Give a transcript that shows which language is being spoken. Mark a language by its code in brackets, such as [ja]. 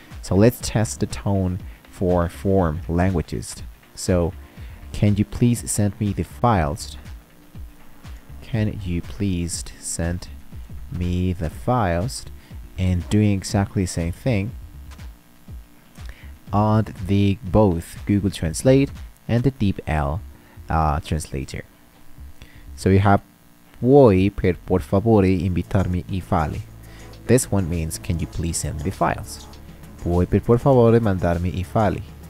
[en] So let's test the tone for form languages. So, "Can you please send me the files?" can you please send me the files, and doing exactly the same thing on the both Google Translate and the DeepL translator. So we have [it] voi per favore invitarmi I file. [en] This one means, can you please send the files? [it] Voi per favore mandarmi I file.